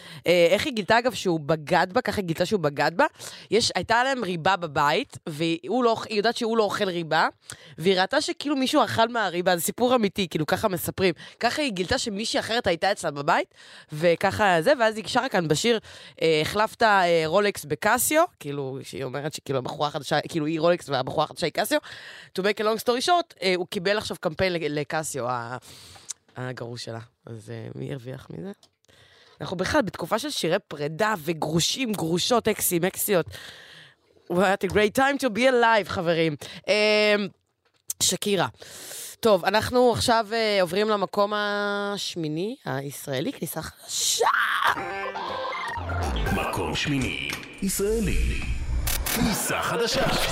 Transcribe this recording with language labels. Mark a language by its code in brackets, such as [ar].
[he] איך היא גילתה אגב שהוא בגד בה, ככה היא גילתה שהוא בגד בה? יש, הייתה להם ריבה בבית, והיא יודעת שהוא לא אוכל ריבה, והיא ראתה שכאילו מישהו אכל מהריבה, זה סיפור אמיתי, כאילו ככה מספרים. ככה היא גילתה שמישהי אחרת הייתה אצלה בבית, וככה זה, ואז היא שרה כאן בשיר, החלפת רולקס בקסיו, כאילו, שהיא אומרת שכאילו הבחורה החדשה, כאילו היא רולקס והבחורה החדשה היא קסיו. [en] To make a long story short, [he] הוא קיבל עכשיו קמפיין לקסיו. הגרוש שלה. אז מי הרוויח מזה? אנחנו בכלל בתקופה של שירי פרידה וגרושים, גרושות, אקסים, אקסיות. [en] What a great time to be alive, חברים. [he] שקירה. טוב, אנחנו עכשיו עוברים למקום השמיני, הישראלי, כניסה חדשה. מקום שמיני, ישראלי, כניסה חדשה.